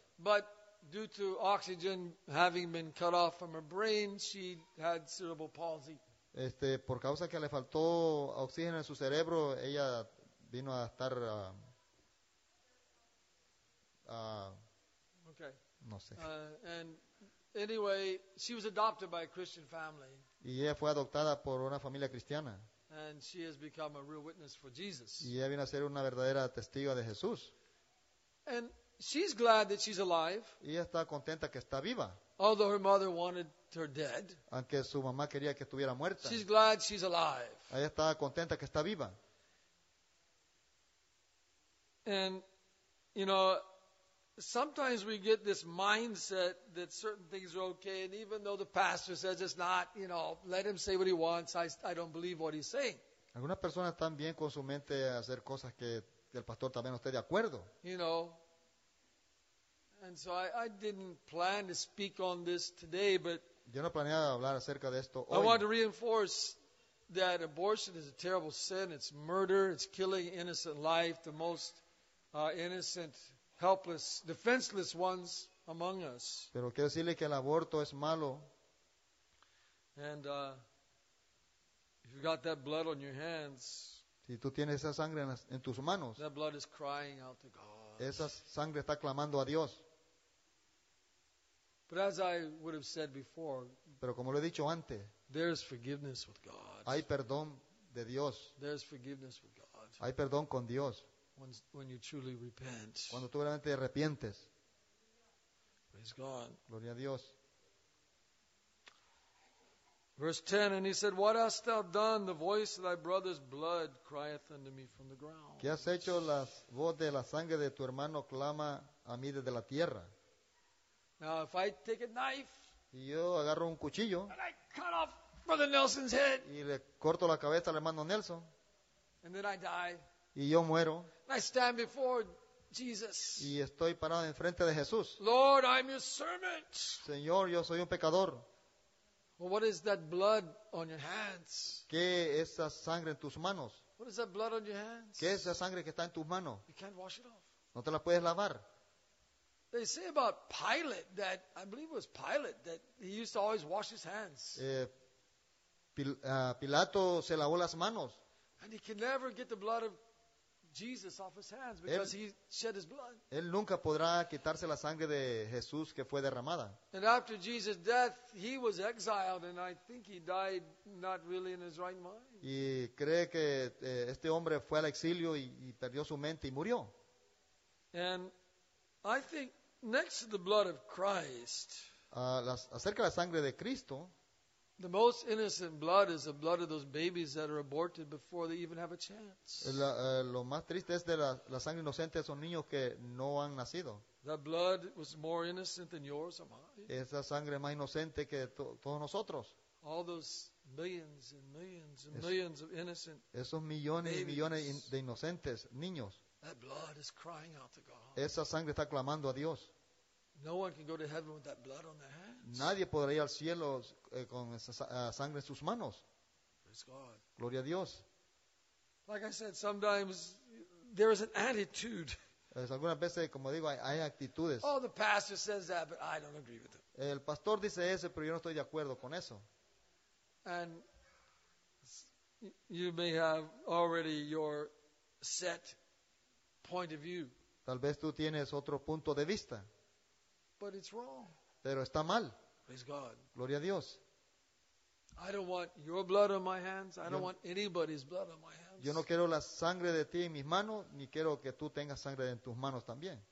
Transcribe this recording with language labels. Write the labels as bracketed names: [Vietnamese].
[English] But due to oxygen having been cut off from her brain, she had cerebral palsy. [Spanish] Por causa que le faltó oxígeno en su cerebro, ella vino a estar [English] okay. [Spanish] No sé. [English] And anyway, she was adopted by a Christian family. [Spanish] Y ella fue adoptada por una familia cristiana. [English] And she has become a real witness for Jesus. [Spanish] Y ella vino a ser una verdadera testigo de Jesús. [English] And she's glad that she's alive. [Spanish] Y ella está contenta que está viva. [English] Although her mother wanted her dead. [Spanish] Aunque su mamá quería que estuviera muerta. [English] She's glad she's alive. [Spanish] Ella está contenta que está viva. [English] And, you know, sometimes we get this mindset that certain things are okay, and even though the pastor says it's not, you know, let him say what he wants, I don't believe what he's saying. [Spanish] Algunas personas están bien con su mente a hacer cosas que el pastor también no esté de acuerdo. [English] You know, and so I didn't plan to speak on this today, but [Spanish] yo no planeaba hablar acerca de esto hoy. [English] I want to reinforce that abortion is a terrible sin. It's murder. It's killing innocent life. The most innocent, helpless, defenseless ones among us. [Spanish] Pero quiero decirle que el aborto es malo. [English] And if you've got that blood on your hands, [Spanish] si tú tienes esa sangre en tus manos, [English] that blood is crying out to God. [Spanish] Esa sangre está clamando a Dios. [English] But as I would have said before, [Spanish] pero como lo he dicho antes, [English] there's forgiveness with God. [Spanish] Hay perdón de Dios. [English] There's forgiveness with God. [Spanish] Hay perdón con Dios. [English] When you truly repent. [Spanish] Cuando tú realmente arrepientes. [English] Praise God. [Spanish] Gloria a Dios. [English] Verse 10, and he said, what hast thou done? The voice of thy brother's blood crieth unto me from the ground. [Spanish] ¿Qué has hecho? La voz de la sangre de tu hermano clama a mí desde la tierra. [English] Now, if I take a knife, [Spanish] y yo agarro un cuchillo, [English] and I cut off Brother Nelson's head, [Spanish] y le corto la cabeza al hermano Nelson, [English] and then I die, [Spanish] y yo muero, [English] and I stand before Jesus, [Spanish] y estoy parado en frente de Jesús. [English] Lord, I'm your servant. [Spanish] Señor, yo soy un pecador. [English] Well, what is that blood on your hands? [Spanish] ¿Qué es esa sangre en tus manos? [English] What is that blood on your hands? [Spanish] ¿Qué es esa sangre que está en tus manos? [English] You can't wash it off. [Spanish] No te la puedes lavar. [English] They say about Pilate that I believe it was Pilate that he used to always wash his hands. [Spanish] Pilato se lavó las manos. [English] And he can never get the blood of Jesus off his hands because he shed his blood. [Spanish] Él nunca podrá quitarse la sangre de Jesús que fue derramada. [English] And after Jesus' death, he was exiled, and I think he died not really in his right mind. [Spanish] Y cree que este hombre fue al exilio y perdió su mente y murió. [English] And I think next to the blood of Christ, [Spanish] acerca de la sangre de Cristo, [English] the most innocent blood is the blood of those babies that are aborted before they even have a chance. [Spanish] Lo más triste es de la sangre inocente de esos niños que no han nacido. [English] That blood was more innocent than yours or mine. [Spanish] Esa sangre más inocente que todos nosotros. [English] All those millions and millions and millions of innocent babies. [Spanish] Esos millones y millones de inocentes niños. [English] That blood is crying out to God. [Spanish] Esa sangre está clamando a Dios. [English] No one can go to heaven with that blood on their hands. [Spanish] Nadie podrá ir al cielo con esa sangre en sus manos. [English] Praise God. [Spanish] Gloria a Dios. [English] Like I said, sometimes there is an attitude. [Spanish] Algunas veces, como digo, hay actitudes. [English] Oh, the pastor says that, but I don't agree with him. [Spanish] El pastor dice eso, pero yo no estoy de acuerdo con eso. [English] And you may have already your set point of view. [Spanish] Tal vez tú tienes otro punto de vista. [English] But it's wrong. [Spanish] Pero está mal. [English] Praise God. [Spanish] Gloria a Dios. [English] I don't want your blood on my hands. I don't want anybody's blood on my hands. [Spanish] Yo no quiero la sangre de ti en mis manos, ni quiero que tú tengas sangre en tus manos también.